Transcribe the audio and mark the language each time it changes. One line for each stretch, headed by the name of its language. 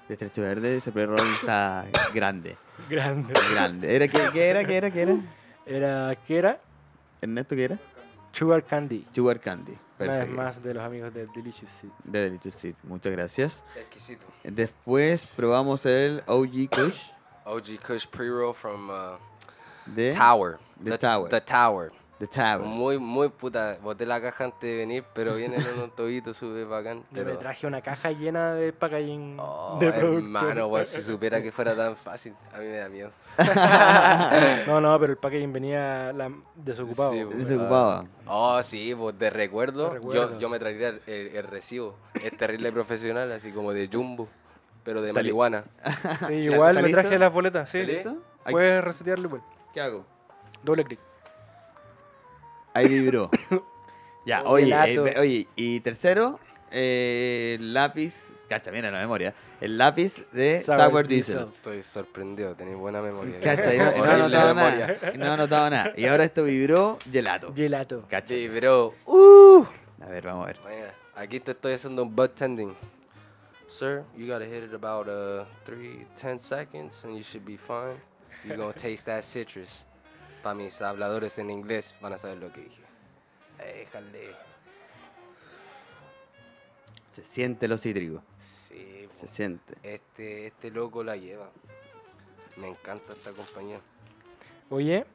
Spanish: De Estrecho Verde, ese pre-roll está grande. Grande. Grande. Era, ¿Qué era? Era, ¿qué era? ¿Ernesto qué era? Sugar Candy. Sugar Candy. Perfecto. Una vez más de los amigos de Delicious Seed. De Delicious Seed, muchas gracias. Exquisito. Después probamos el OG Kush.
English: OG Kush pre-roll from the Tower. The Tower.
Spanish: Muy puta, boté la caja antes de venir, pero viene en un tobito, sube bacán. Pero... Yo me traje una caja llena de packaging de productos. Hermano, pues, si supiera que fuera tan fácil, a mí me da miedo. No, pero el packaging venía desocupado. Sí, desocupado. Oh, sí, pues de recuerdo. Yo me traería el recibo. Es terrible profesional, así como de Jumbo, pero de marihuana. Sí, igual me traje las boletas, sí. ¿Listo? Puedes resetearle, pues. ¿Qué hago? Doble clic. Ahí vibró. Ya, oye, y tercero, el lápiz. Cacha, mira la memoria. El lápiz de Sour Diesel. Estoy sorprendido, tenéis buena memoria. Cacha, no he notado nada. Y ahora esto vibró gelato. Gelato. Cacha. Vibró. A ver, vamos a ver. Mira, aquí te estoy haciendo un butt tending.
English: Sir, you gotta hit it about 3-10 seconds and you should be fine. You're gonna taste that citrus.
Spanish: Para mis habladores en inglés van a saber lo que dije. Déjale. Se siente lo cítrico. Sí. Se siente. Este loco la lleva. Me encanta esta compañía. Oye.